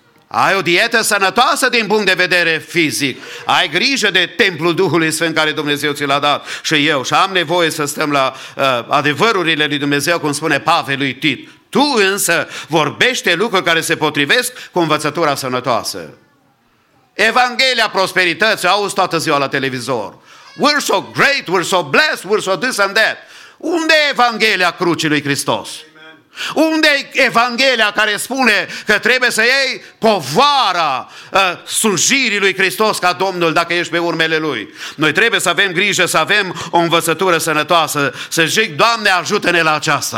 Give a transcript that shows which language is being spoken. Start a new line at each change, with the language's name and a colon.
Romanian: Ai o dietă sănătoasă din punct de vedere fizic. Ai grijă de templul Duhului Sfânt care Dumnezeu ți l-a dat și eu. Și am nevoie să stăm la adevărurile lui Dumnezeu, cum spune Pavel lui Tit. Tu însă vorbește lucruri care se potrivesc cu învățătura sănătoasă. Evanghelia prosperității, auzi toată ziua la televizor.
English: We're so great, we're so blessed, we're so this and that.
Romanian: Unde e Evanghelia crucii lui Hristos? Amen. Unde e Evanghelia care spune că trebuie să iei povara slujirii lui Hristos ca Domnul dacă ești pe urmele Lui? Noi trebuie să avem grijă, să avem o învățătură sănătoasă, să zic, Doamne, ajută-ne la aceasta.